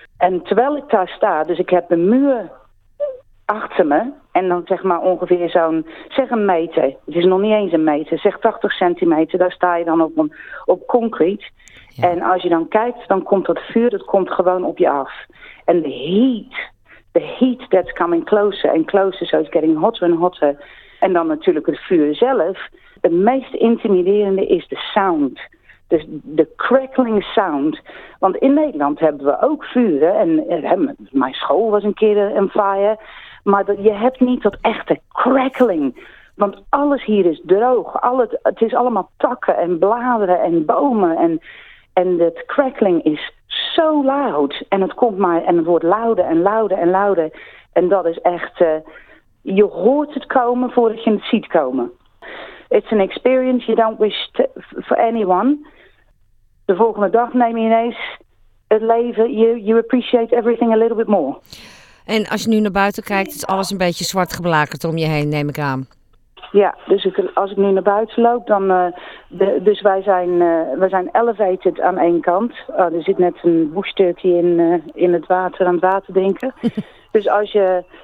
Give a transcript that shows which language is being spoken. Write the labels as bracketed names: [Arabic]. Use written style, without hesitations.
[Dutch] En terwijl ik daar sta, dus ik heb een muur achter me, en dan zeg maar ongeveer zo'n, zeg een meter, het is nog niet eens een meter, zeg 80 centimeter, daar sta je dan op concrete. Ja. En als je dan kijkt, dan komt dat vuur, dat komt gewoon op je af. [English] En the heat that's coming closer and closer, so it's getting hotter and hotter. [Dutch] En dan natuurlijk het vuur zelf. Het meest intimiderende is de sound. Dus de [English] crackling sound. [Dutch] Want in Nederland hebben we ook vuren. En mijn school was een keer een fire. Maar je hebt niet dat echte crackling. Want alles hier is droog. Het is allemaal takken en bladeren en bomen. En het crackling is zo luid. En het komt maar en het wordt [English] louder [Dutch] en louder en louder. En dat is echt... Je hoort het komen voordat je het ziet komen. [English] It's an experience you don't wish for anyone. [Dutch] De volgende dag neem je ineens het leven. [English] You appreciate everything a little bit more. [Dutch] En als je nu naar buiten kijkt, is alles een beetje zwart geblakerd om je heen, neem ik aan. Ja, dus als ik nu naar buiten loop, dan... Dus wij zijn elevated aan één kant. Er zit net een woestukje in het water, aan het water drinken. Dus als je...